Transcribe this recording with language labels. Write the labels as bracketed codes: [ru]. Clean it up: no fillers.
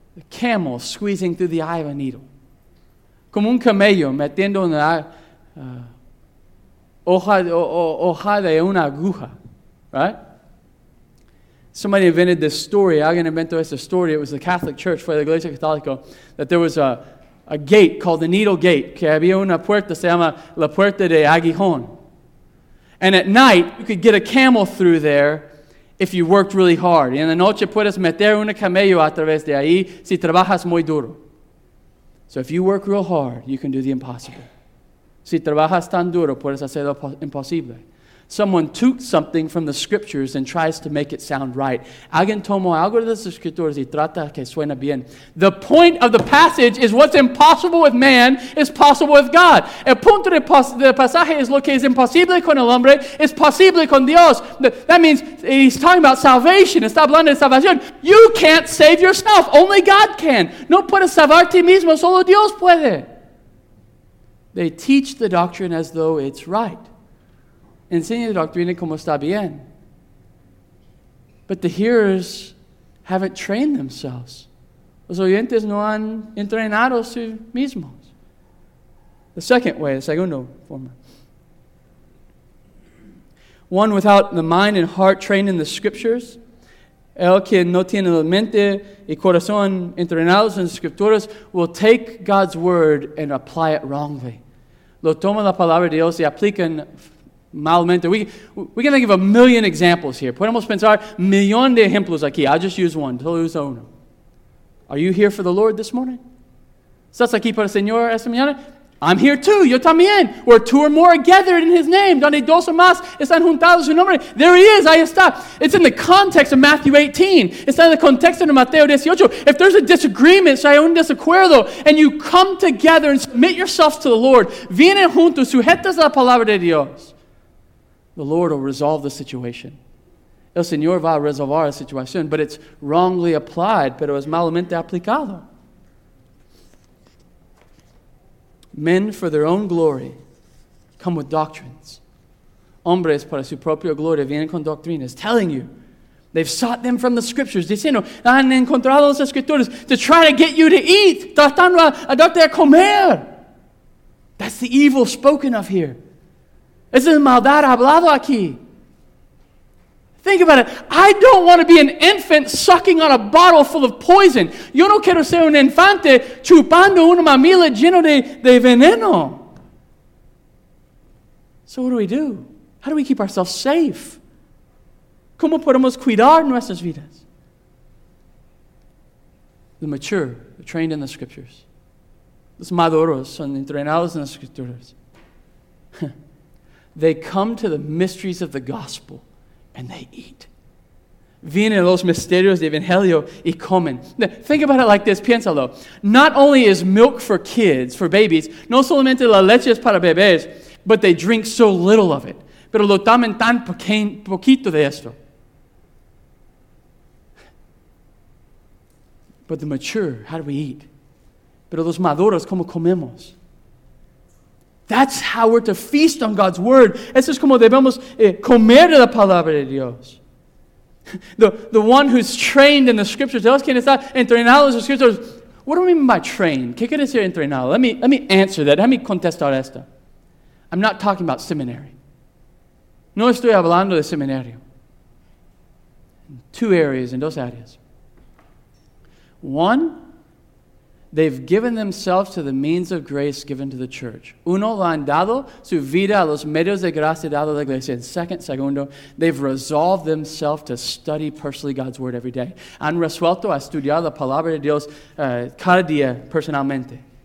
[en] camel squeezing through the eye of a needle. [es] Como un camello metiendo en la hoja de una aguja. Right? [en] Somebody invented this story. [es] Alguien inventó esta story. [en] It was the Catholic Church, [es] fue la Iglesia Católica, [en] that there was a gate called the Needle Gate. [es] Que había una puerta, se llama la puerta de aguijón. [en] And at night, you could get a camel through there if you worked really hard. [es] Y en la noche puedes meter un camello a través de ahí si trabajas muy duro. [en] So if you work real hard, you can do the impossible. [es] Si trabajas tan duro, puedes hacer lo imposible. [en] Someone took something from the scriptures and tries to make it sound right. [es] Alguien tomó algo de las escrituras y trata que suene bien. [en] The point of the passage is what's impossible with man is possible with God. [es] El punto del pasaje es lo que es imposible con el hombre es posible con Dios. [en] That means he's talking about salvation. [es] Está hablando de salvación. [en] You can't save yourself. Only God can. [es] No puedes salvar a ti mismo. Solo Dios puede. [en] They teach the doctrine as though it's right. [es] Enseña la doctrina como está bien. [en] But the hearers haven't trained themselves. [es] Los oyentes no han entrenado a sí mismos. [en] The second way, the [es] segundo forma. [en] One without the mind and heart trained in the scriptures. [es] El que no tiene la mente y corazón entrenados en las escrituras [en] will take God's word and apply it wrongly. [es] Lo toma la palabra de Dios y aplican malamente. [en] We can think of a million examples here. [es] Podemos pensar millón de ejemplos aquí. [en] I'll just use one. [es] Solo uso uno. [en] Are you here for the Lord this morning? [es] ¿Estás aquí para el Señor esta mañana? [en] I'm here too. [es] Yo también. [en] We're two or more gathered in His name. [es] Donde dos o más están juntados en su nombre. [en] There He is. [es] Ahí está. [en] It's in the context of Matthew 18. It's in the context of Mateo 18. If there's a disagreement, [es] si hay un desacuerdo, [en] and you come together and submit yourselves to the Lord, [es] vienen juntos, sujetas a la palabra de Dios, [en] the Lord will resolve the situation. [es] El Señor va a resolver la situación, [en] but it's wrongly applied, [es] pero es malamente aplicado. [en] Men for their own glory come with doctrines. [es] Hombres para su propia gloria vienen con doctrinas, [en] telling you. They've sought them from the scriptures, [es] diciendo, han encontrado las escrituras [en] to try to get you to eat, [es] tratando a darte a comer. [en] That's the evil spoken of here. [es] Es el maldad hablado aquí. [en] Think about it. I don't want to be an infant sucking on a bottle full of poison. [es] Yo no quiero ser un infante chupando una mamila llena de veneno. [en] So what do we do? How do we keep ourselves safe? [es] ¿Cómo podemos cuidar nuestras vidas? [en] The mature, the trained in the scriptures. [es] Los maduros son entrenados en las escrituras. [en] They come to the mysteries of the gospel and they eat. [es] Vienen los misterios del evangelio y comen. [en] Now, think about it like this, [es] piénsalo. [en] Not only is milk for kids, for babies, [es] no solamente la leche es para bebés, [en] but they drink so little of it. [es] Pero lo toman tan poquito de esto. [en] But the mature, how do we eat? [es] Pero los maduros, ¿cómo comemos? [en] That's how we're to feast on God's word. [es] Eso es como debemos comer de la palabra de Dios. [en] The one who's trained in the scriptures. [es] Dios quien está entrenado en las escrituras. [en] What do we mean by trained? [es] ¿Qué quiere decir entrenado? [en] Let me answer that. Let me [es] contestar esto. [en] I'm not talking about seminary. [es] No estoy hablando de seminario. [en] Two areas, in [es] dos áreas. [en] One, they've given themselves to the means of grace given to the church. [es] Uno, lo han dado su vida a los medios de gracia dado a la iglesia. [en] And segundo, they've resolved themselves to study personally God's word every day. [es] Han resuelto a estudiar la palabra de Dios cada día personalmente.